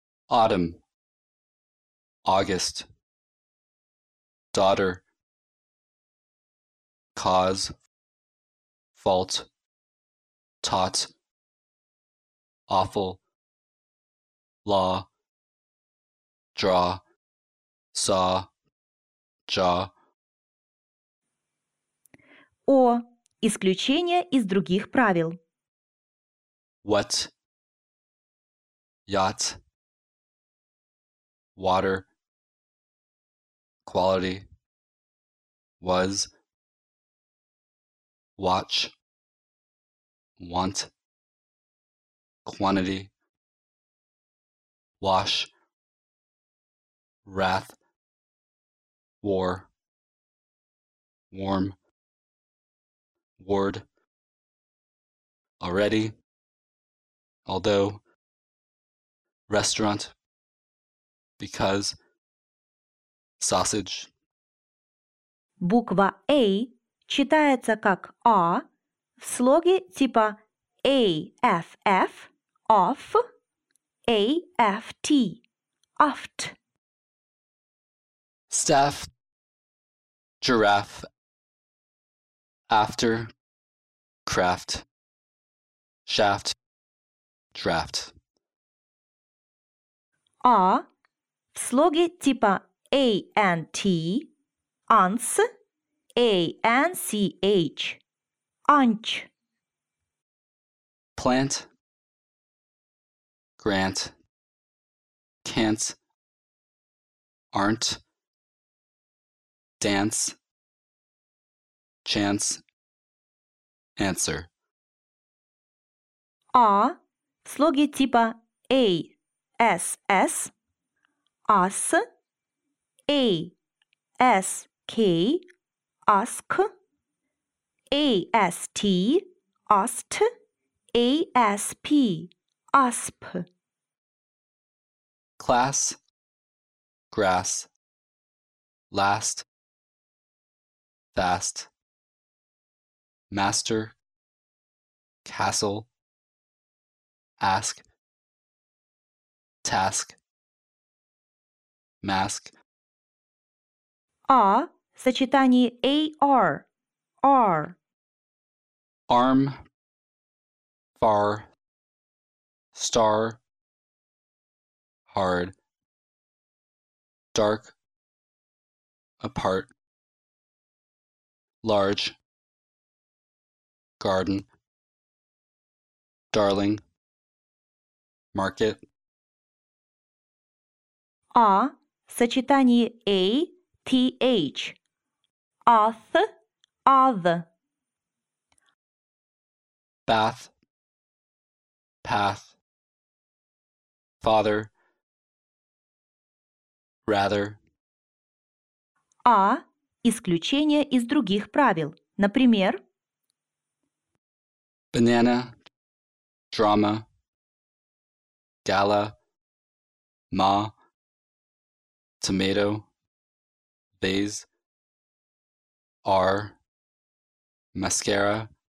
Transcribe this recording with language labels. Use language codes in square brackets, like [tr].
[en] Autumn, August, daughter, cause, fault, taught, awful, law, draw, saw, jaw. [ru] О, исключение из других правил. [en] What? Yacht, water, quality, was, watch, want, quantity, wash, wrath, war, warm, ward, already, although, restaurant, because, sausage. [ru] Буква A читается как A в слоге типа AFF, off, AFT, oft. [en] Staff, giraffe, after, craft, shaft, draft. [ru] А в слоге типа ant, ants, anch, anch. [en] Plant, grant, can't, aren't, dance, chance, answer. [ru] А в слоге типа a. [en] S S us A S K ask A S T ast A S P asp. Class, grass, last, fast, master, castle, ask, task, mask. [ru] А в сочетании AR, R. [en] Arm, far, star, hard, dark, apart, large, garden, darling, market. [ru] А в сочетании A, T, H. [en] Auth, other. Bath, path, father, rather. [ru] А исключение из других правил. Например. [en] Banana, drama, gala, ma. Tomato, vase, R, mascara,